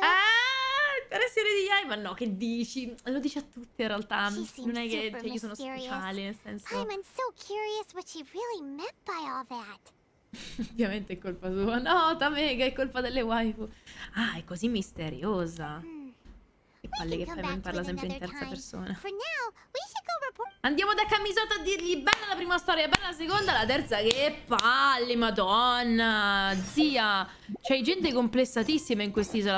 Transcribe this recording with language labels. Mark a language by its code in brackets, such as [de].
[it] Ah, per essere Lady Yai, ma no, che dici? Lo dice a tutti in realtà. Non è che cioè, io sono speciale, nel senso. [en] I'm so curious what she really meant by all that. [it] Ovviamente è colpa sua. No, Tamega, è colpa delle waifu. Ah, è così misteriosa. Che palle che Tamega parla sempre in terza persona. [en] For now, we [it] Andiamo da Kamisato a dirgli bella la prima storia, bella la seconda, la terza. Che palle, madonna. Zia, c'hai gente complessatissima in quest'isola.